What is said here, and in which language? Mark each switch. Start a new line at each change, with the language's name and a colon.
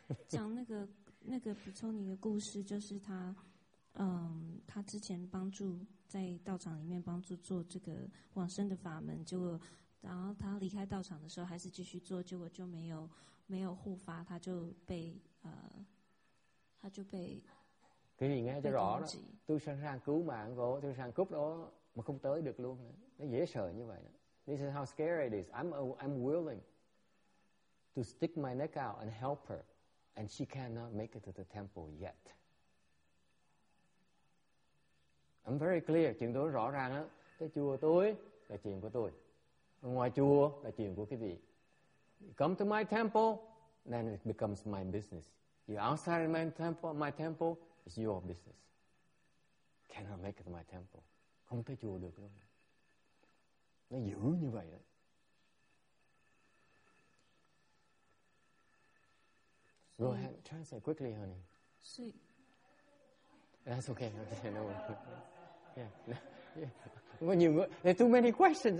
Chinese: 讲那个比丘尼的故事，就是他，他之前帮助在道场里面帮助做这个往生的法门，结果，然后他离开道场的时候还是继续做，结果就没有护法，他就被。
Vietnamese: Cái gì nghe cho rõ đó, tôi sẵn sàng cứu mạng cô, tôi sẵn sàng cúp đó, mà không tới được luôn. Nó dễ sợ như vậy.
English: This is how scary it is. I'm willing to stick my neck out and help her, and she cannot make it to the temple yet. I'm very clear,
Vietnamese: chuyện tôi rõ ràng đó. Cái chùa tôi là chuyện của tôi. Ngoài chùa là chuyện của cái gì?
English: Come to my temple, then it becomes my business. You're outside of my temple, it's your business. Cannot make it to my temple.
Vietnamese: Không tới chùa được luôn. Nó dữ như vậy đó.
English: Go ahead, translate quickly, honey. Sweet. That's okay. No. Yeah. When you there are too many questions.